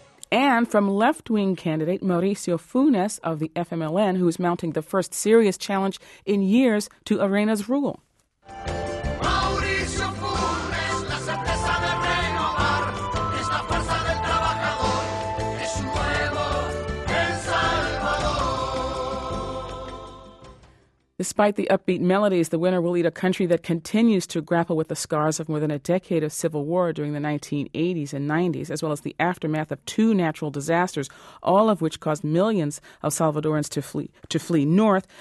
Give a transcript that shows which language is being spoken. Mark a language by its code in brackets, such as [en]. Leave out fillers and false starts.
[en] And from left-wing candidate Mauricio Funes of the FMLN, who is mounting the first serious challenge in years to ARENA's rule. [es] Mauricio Funes, la certeza de renovar, es la fuerza del trabajador, es un nuevo El Salvador. [en] Despite the upbeat melodies, the winner will lead a country that continues to grapple with the scars of more than a decade of civil war during the 1980s and 90s, as well as the aftermath of two natural disasters, all of which caused millions of Salvadorans to flee north.